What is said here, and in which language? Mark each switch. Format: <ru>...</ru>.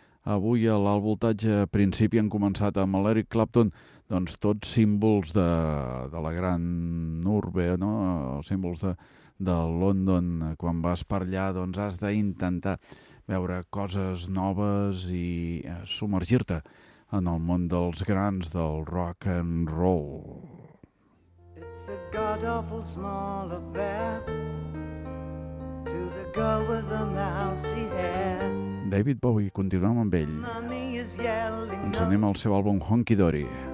<ca>Avui a l'Alt Voltatge, a principi, han començat amb l'Eric Clapton, doncs tots símbols de la gran urbe, no? Símbols de London. Quan vas per allà, doncs has d'intentar veure coses noves i submergir-te en el món dels grans del rock and roll.</ca> <en>It's a god-awful small affair to the girl with the mousy hair.</en> <ca>David Bowie, continuem amb ell. Ens anem al seu àlbum Honky Dory.</ca>